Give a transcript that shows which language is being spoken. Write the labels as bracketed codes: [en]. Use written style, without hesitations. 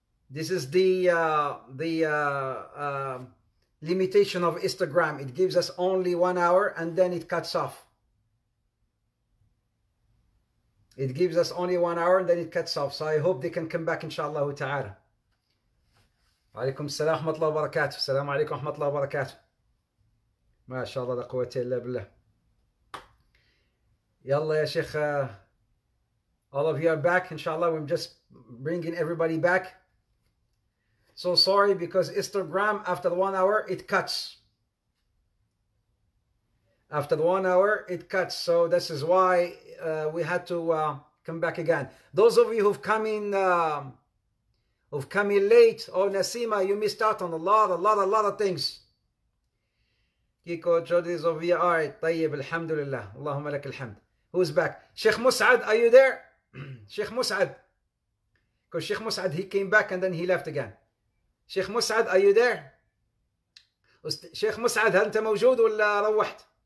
[en] This is the limitation of Instagram. It gives us only 1 hour and then it cuts off. It gives us only 1 hour and then it cuts off. So I hope they can come back, inshallah ta'ala. [ar] عليكم السلام ورحمة الله وبركاته. السلام عليكم ورحمة الله وبركاته. ما شاء الله لا قوة إلا بالله. يلا يا شيخ. [en] All of you are back. Inshallah, we're just bringing everybody back. So sorry because Instagram after 1 hour it cuts. After 1 hour it cuts. So this is why we had to come back again. Those of you who've come in. Of coming late. Oh, Nasima, you missed out on a lot of things. Kiko, Jody, Zovia, all right. Tayyib, alhamdulillah. Allahumma lak alhamd. Who's back? Sheikh Mus'ad, are you there? Sheikh Mus'ad. Because Sheikh Mus'ad, he came back and then he left again. Sheikh Mus'ad, are you there? Sheikh Mus'ad, [ar] هل أنت موجود ولا روحت?